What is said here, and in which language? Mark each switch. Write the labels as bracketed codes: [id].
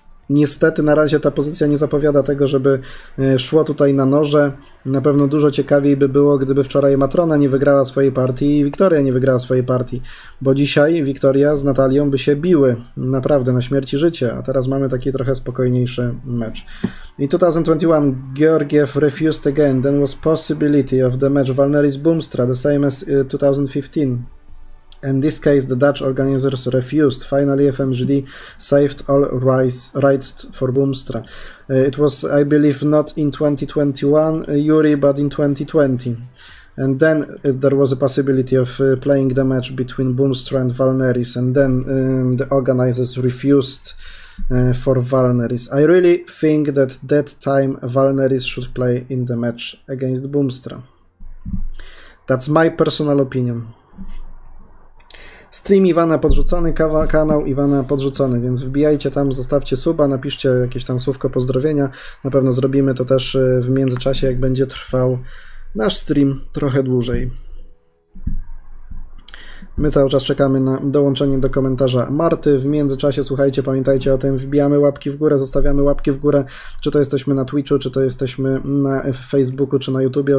[pl] Niestety na razie ta pozycja nie zapowiada tego, żeby szło tutaj na noże. Na pewno dużo ciekawiej by było, gdyby wczoraj Matrona nie wygrała swojej partii i Wiktoria nie wygrała swojej partii, bo dzisiaj Wiktoria z Natalią by się biły naprawdę na śmierć i życie, a teraz mamy taki trochę spokojniejszy mecz. [en] I 2021, Georgiev refused again, then was possibility of the match Valneris Boomstra, the same as 2015. In this case, the Dutch organizers refused. Finally, FMGD saved all rights for Boomstra. It was, I believe, not in 2021, Yuri, but in 2020. And then there was a possibility of playing the match between Boomstra and Valneris, and then the organizers refused for Valneris. I really think that that time Valneris should play in the match against Boomstra. That's my personal opinion. [pl] Stream Iwana podrzucony, kanał Iwana podrzucony, więc wbijajcie tam, zostawcie suba, napiszcie jakieś tam słówko pozdrowienia. Na pewno zrobimy to też w międzyczasie, jak będzie trwał nasz stream trochę dłużej. My cały czas czekamy na dołączenie do komentarza Marty. W międzyczasie, słuchajcie, pamiętajcie o tym, wbijamy łapki w górę, zostawiamy łapki w górę, czy to jesteśmy na Twitchu, czy to jesteśmy na Facebooku, czy na YouTubie.